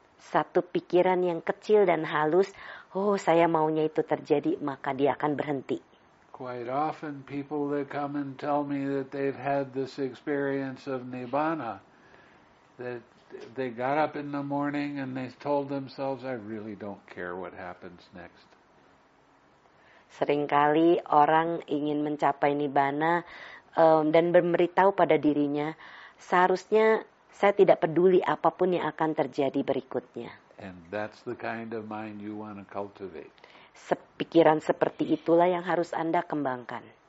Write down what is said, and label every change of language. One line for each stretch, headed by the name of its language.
Indonesian: Satu pikiran yang kecil dan halus, oh, saya maunya itu terjadi, maka dia akan berhenti.
English: Quite often people that come and tell me that they've had this experience of nibbana, that they got up in the morning and they told themselves, I really don't care what happens next.
Indonesian: Seringkali orang ingin mencapai nibbana dan memberitahu pada dirinya, seharusnya saya tidak peduli apapun yang akan terjadi berikutnya.
English: And that's the kind of mind you want to cultivate.
Indonesian: Pikiran seperti itulah yang harus Anda kembangkan.